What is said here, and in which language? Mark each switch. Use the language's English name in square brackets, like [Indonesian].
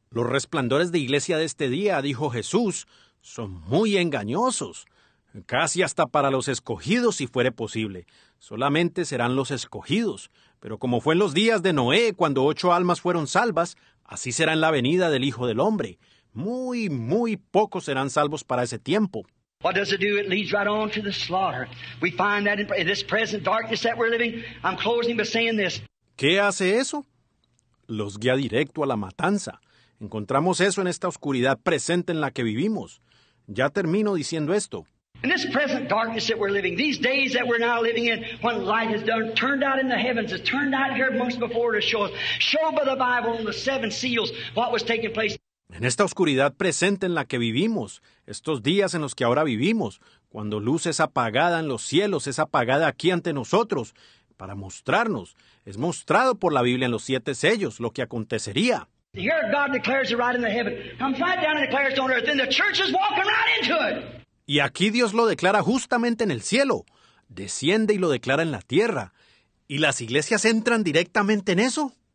[Spanish] Los resplandores de iglesia de este día, dijo Jesús, son muy engañosos, casi hasta para los escogidos si fuere posible. Solamente serán los escogidos. Pero como fue en los días de Noé, cuando 8 almas fueron salvas, así será en la venida del Hijo del Hombre. Muy, muy pocos serán salvos para ese tiempo. [English] What does it do? It leads right on to the slaughter. We find that in this present darkness that we're living, I'm closing by saying this. [Spanish] ¿Qué hace eso? Los guía directo a la matanza. Encontramos eso en esta oscuridad presente en la que vivimos. Ya termino diciendo esto. [English] In this present darkness that we're living, these days that we're now living in, when light is done, turned out in the heavens, it's turned out here amongst before to show us, showed by the Bible and the 7 seals, what was taking place. [Spanish] En esta oscuridad presente en la que vivimos, estos días en los que ahora vivimos, cuando luz es apagada en los cielos, es apagada aquí ante nosotros, para mostrarnos, es mostrado por la Biblia en los 7 sellos, lo que acontecería. [English] Here God declares it right in the heaven. Comes right down and declares it on earth. Then the church is walking right into it. [Spanish] Y aquí Dios lo declara justamente en el cielo. Desciende y lo declara en la tierra. ¿Y las iglesias entran directamente en eso?